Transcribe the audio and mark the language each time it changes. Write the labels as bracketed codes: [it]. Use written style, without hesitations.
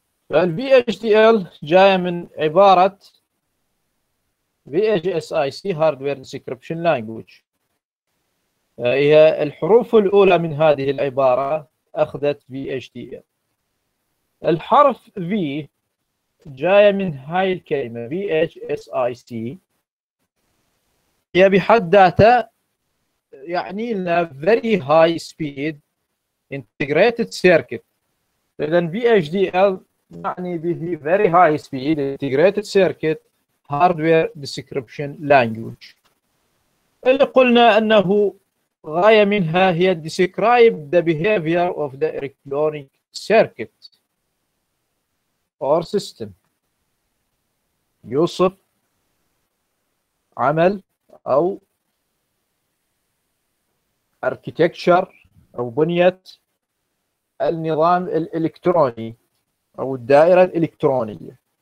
[ar] فال VHDL جاية من عبارة VHSIC Hardware Encryption Language. هي الحروف الأولى من هذه العبارة أخذت VHDL. الحرف V جاية من هاي الكلمة VHSIC. هي بحد ذاتها يعني لنا Very High Speed Integrated Circuit. [en] إذن VHDL يعني به Very High Speed Integrated Circuit Hardware Description Language. اللي قلنا أنه غاية منها هي Describe the Behavior of the Electronic Circuit or System. [ar] يوصف عمل أو Architecture أو بنية النظام الإلكتروني أو الدائرة الإلكترونية.